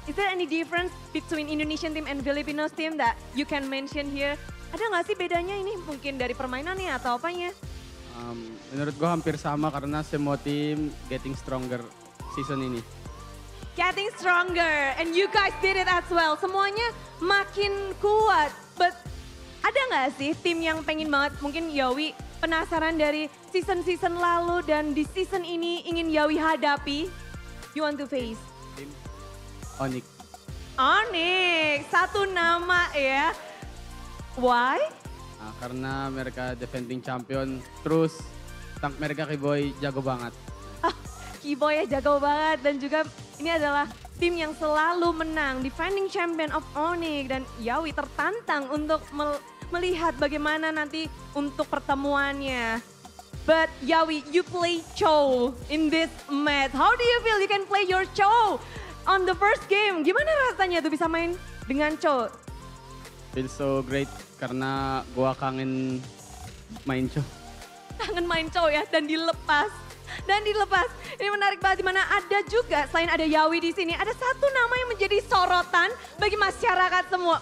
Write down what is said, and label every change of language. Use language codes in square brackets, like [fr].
[en] Is there any difference between Indonesian team and Filipino team that you can mention here? [id] Ada nggak sih bedanya ini mungkin dari permainannya atau apanya? Menurut gua hampir sama karena semua tim [en] getting stronger [id] season ini. [en] Getting stronger and you guys did it as well. [id] Semuanya makin kuat, but ada nggak sih tim yang pengen banget mungkin YAWI penasaran dari season-season lalu dan di season ini ingin YAWI hadapi? [en] You want to face? [id] Tim Onyx. Onyx, satu nama ya. Why? Karena mereka defending champion, terus tank mereka Kiboy jago banget. Kiboy ya jago banget dan juga ini adalah tim yang selalu menang, [en] defending champion of Onyx [id] dan YAWI tertantang untuk melihat bagaimana nanti untuk pertemuannya. [en] But YAWI, you play Cho in this match. How do you feel you can play your Cho on the first game? [id] Gimana rasanya tuh bisa main dengan Cho? [en] Feel so great [id] karena gua kangen main Cho. Kangen main Cho ya dan dilepas. Dan dilepas. Ini menarik banget dimana ada juga selain ada YAWI di sini, ada satu nama yang menjadi sorotan bagi masyarakat semua.